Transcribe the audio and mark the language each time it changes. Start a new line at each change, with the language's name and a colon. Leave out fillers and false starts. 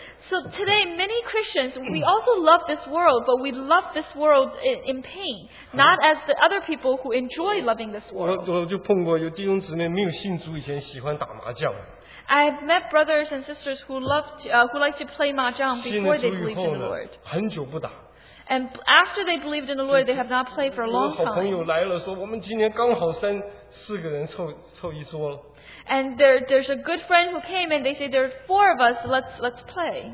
English: so today, many Christians, we also love this world, but we love this world in pain, not as the other people who enjoy loving this world.
Chinese: 我就碰过有弟兄姊妹没有信主以前喜欢打麻将。
English: I've met brothers and sisters who like to play mahjong before they believed in the Lord.
Chinese: 很久不打,
English: and after they believed in the Lord, they have not played for a long time.
Chinese: 我的好朋友来了说,
English: and there's a good friend who came and they say, there are four of us, let's play.